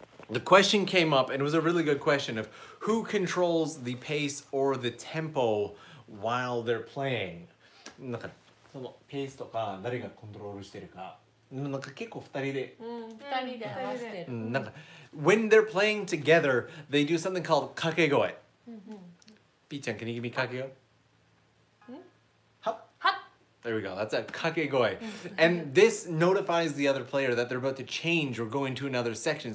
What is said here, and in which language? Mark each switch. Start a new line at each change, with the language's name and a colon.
English: the question came up, and it was a really good question of who controls the pace or the tempo while they're playing.
Japanese: なんか、そのペースとか誰がコントロールしてるか。なんか結構二人で、二人で合わせてる。
English: なんか、when they're playing together, they do something called 掛け声。ピーちゃん、can you give me 掛け声? There we go, that's a kakegoe. And this notifies the other player that they're about to change or go into another section.